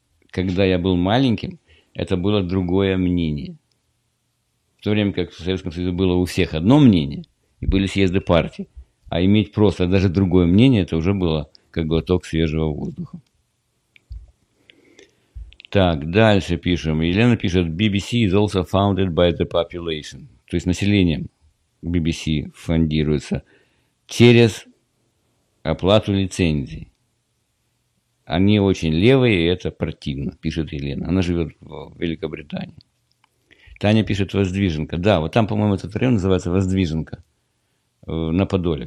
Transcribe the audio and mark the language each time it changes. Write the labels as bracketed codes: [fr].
[ru] Когда я был маленьким, это было другое мнение. В то время как в Советском Союзе было у всех одно мнение, и были съезды партий, а иметь просто даже другое мнение, это уже было как глоток свежего воздуха. Так, дальше пишем. Елена пишет: [en] BBC is also founded by the population. [ru] То есть населением BBC фондируется через оплату лицензий. Они очень левые, и это противно, пишет Елена. Она живет в Великобритании. Таня пишет: Воздвиженка. Да, вот там, по-моему, этот район называется Воздвиженка. На Подоле.